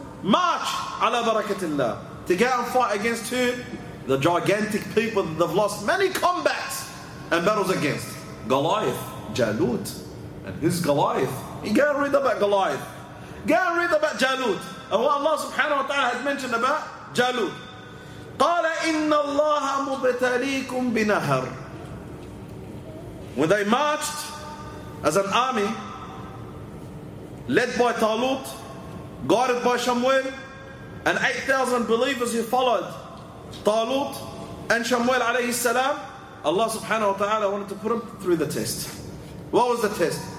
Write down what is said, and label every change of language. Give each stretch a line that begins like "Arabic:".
English: March,
Arabic: ala barakatillah,
English: to go and fight against who? The gigantic people that have lost many combats and battles against. Goliath, Jalut. And who's Goliath? You go and read about Goliath. Go and read about Jalut. And what Allah subhanahu wa ta'ala has mentioned about Jalut.
Arabic: قال إن الله مبتليكم بنهر.
English: When they marched as an army, led by Talut, guided by Shamuel, and 8,000 believers who followed Talut and Shamuel alayhi salam, Allah subhanahu wa ta'ala wanted to put them through the test. What was the test?